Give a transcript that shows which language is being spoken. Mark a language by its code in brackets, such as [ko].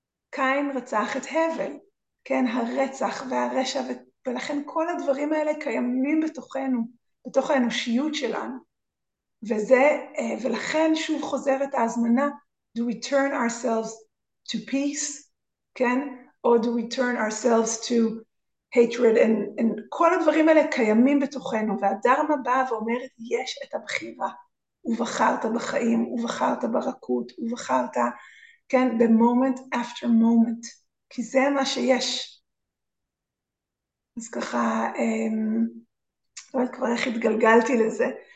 [he] קין רצח את הבל, כן? הרצח והרשע ולכן כל הדברים האלה קיימים בתוכנו, בתוך האנושיות שלנו. וזה, ולכן שוב חוזרת ההזמנה, [en] do we turn ourselves to peace, [he] כן? [en] Or do we turn ourselves to hatred? [he] And כל הדברים האלה קיימים בתוכנו, והדרמה באה ואומרת, יש את הבחירה, ובחרת בחיים, ובחרת ברכות, ובחרת, כן? ב- [en] moment after moment, [he] כי זה מה שיש. אז ככה, לא יודעת כבר איך התגלגלתי לזה.